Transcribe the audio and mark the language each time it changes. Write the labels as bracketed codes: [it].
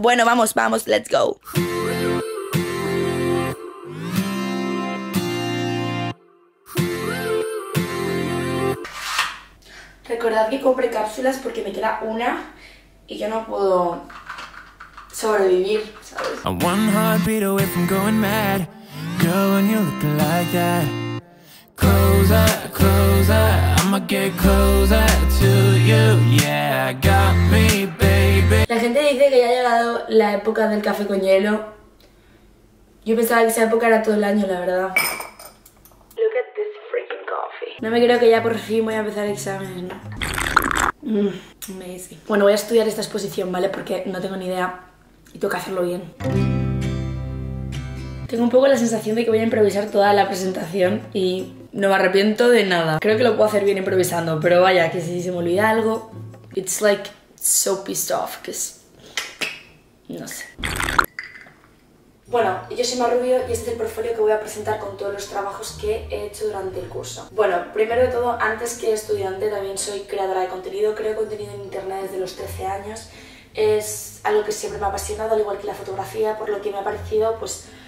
[es] Bueno, vamos, vamos, [en] let's go. [es] Recordad que compré cápsulas porque me queda una y yo no puedo sobrevivir, ¿sabes? [en] I'm one heartbeat away from going mad. Girl, when you look like that, closer, closer, I'ma get closer to you, yeah, got me, baby. [es] La gente dice que ya ha llegado la época del café con hielo. Yo pensaba que esa época era todo el año, la verdad. [en] Look at this freaking coffee. [es] No me creo que ya por fin voy a empezar el examen, ¿no? [en] Amazing. [es] Bueno, voy a estudiar esta exposición, ¿vale? Porque no tengo ni idea y tengo que hacerlo bien. Tengo un poco la sensación de que voy a improvisar toda la presentación y no me arrepiento de nada. Creo que lo puedo hacer bien improvisando, pero vaya, que si se me olvida algo. [en] It's like so pissed off, cause. [es] No sé. Bueno, yo soy Mar Rubio y este es el portfolio que voy a presentar con todos los trabajos que he hecho durante el curso. Bueno, primero de todo, antes que estudiante, también soy creadora de contenido. Creo contenido en internet desde los 13 años. Es algo que siempre me ha apasionado, al igual que la fotografía, por lo que me ha parecido, pues.